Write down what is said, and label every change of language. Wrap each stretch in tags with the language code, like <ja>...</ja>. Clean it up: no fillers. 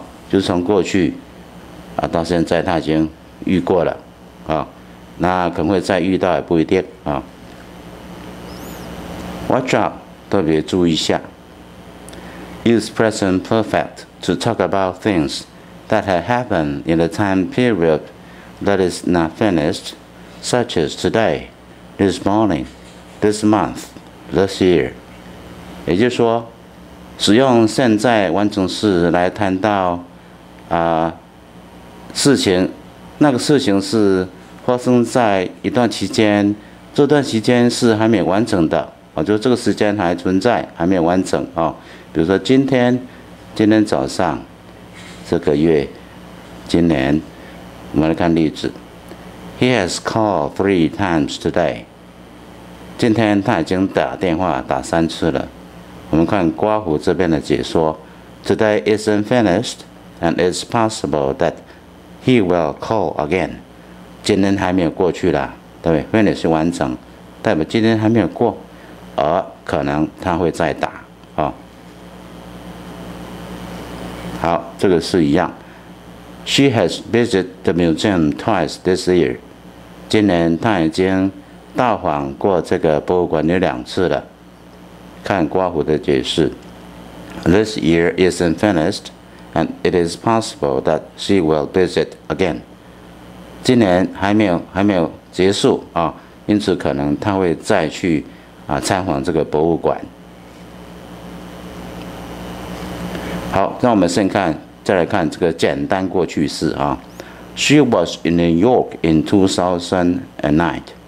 <zh>就从过去到现在他已经遇过了，那可能会再遇到也不一定啊。</zh> <en>Watch out，</en> <zh>特别注意一下。</zh> <en>Use present perfect to talk about things that have happened in a time period that is not finished, such as today, this morning, this month, this year。</en> <zh>也就是说，使用现在完成式来谈到事情，那个事情是发生在一段期间，这段期间是还没完成的，就这个时间还存在，还没完成啊。比如说今天早上，这个月，今年，我们来看例子 ，</zh> <en>He has called 3 times today。</en> <zh>今天他已经打电话打3次了。我们看刮胡这边的解说</zh> <en>，Today isn't finished, and it's possible that he will call again.</en> <zh>今天还没有过去啦，对不对 ？Finish 完成，代表今天还没有过，而可能他会再打啊。好，这个是一样。</zh> <en>She has visited the museum twice this year.</en> <zh>今年他已经到访过这个博物馆有2次了。看刮胡的解释</zh> <en>This year isn't finished, and it is possible that she will visit again.</en> <zh>今年还没有结束啊，因此可能她会再去啊参访这个博物馆。好，让我们先看，再来看这个简单过去式啊。</zh> <en>She was in New York in 2009.</en>